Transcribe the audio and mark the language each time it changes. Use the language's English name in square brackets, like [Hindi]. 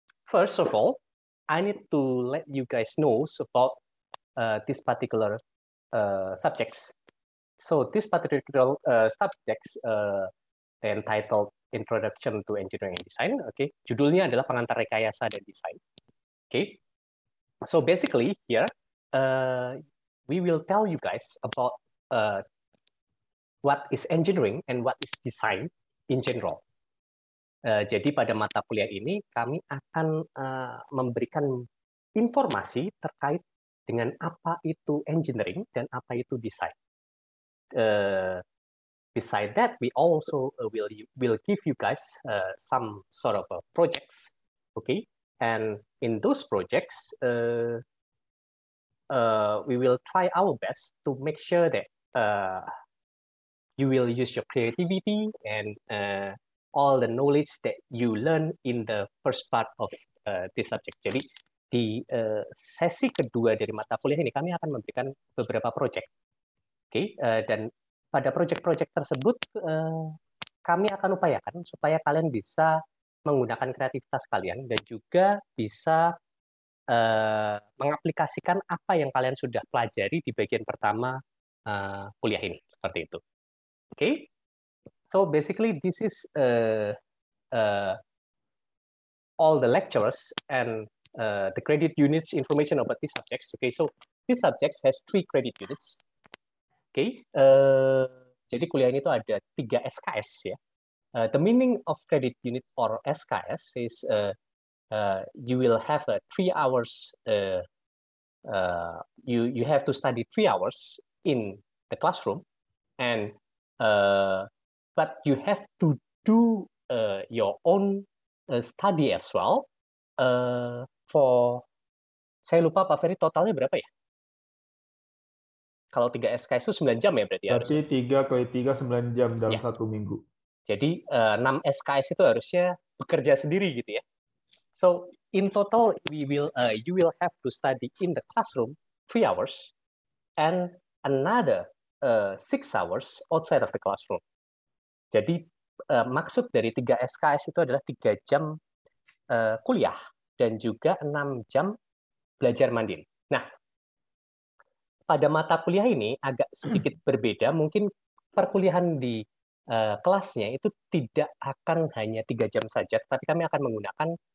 [English] First of all, I need to let you guys know about this particular subjects. So this particular subjects entitled Introduction to Engineering and Design. [Indonesian] Okay, judulnya adalah Pengantar Rekayasa dan Desain. [English] Okay, so basically here we will tell you guys about what is engineering and what is design in general. [Indonesian] Jadi pada mata kuliah ini kami akan memberikan informasi terkait dengan apa itu engineering dan apa itu design. [English] Beside that, we also will give you guys some sort of projects, okay? And in those projects, we will try our best to make sure that you will use your creativity and all the knowledge that you learn in the first part of this subject. [Indonesian] Jadi di sesi kedua dari mata kuliah ini kami akan memberikan beberapa project. Okay, dan pada proyek-proyek tersebut kami akan upayakan supaya kalian bisa menggunakan kreativitas kalian dan juga bisa mengaplikasikan apa yang kalian sudah pelajari di bagian pertama kuliah ini seperti itu. [English] Okay, so basically this is all the lecturers and the credit units information about these subjects. Okay, so these subjects has three credit units. [Indonesian] Okay, jadi kuliah ini tuh ada 3 SKS ya. [English] The meaning of credit unit or SKS is you will have 3 hours. You have to study 3 hours in the classroom, and but you have to do your own study as well. [Indonesian] For saya lupa Pak Ferry totalnya berapa ya? Kalau 3 SKS itu 9 jam ya berarti. Berarti 3 kali 3 9 jam dalam ya. 1 minggu. Jadi 6 SKS itu harusnya bekerja sendiri gitu ya. [English] So in total we will you will have to study in the classroom 3 hours and another 6 hours outside of the classroom. [Indonesian] Jadi maksud dari 3 SKS itu adalah 3 jam kuliah dan juga 6 jam belajar mandiri. Nah, pada mata kuliah ini agak sedikit berbeda. Mungkin perkuliahan di kelasnya itu tidak akan hanya 3 jam saja, tapi kami akan menggunakan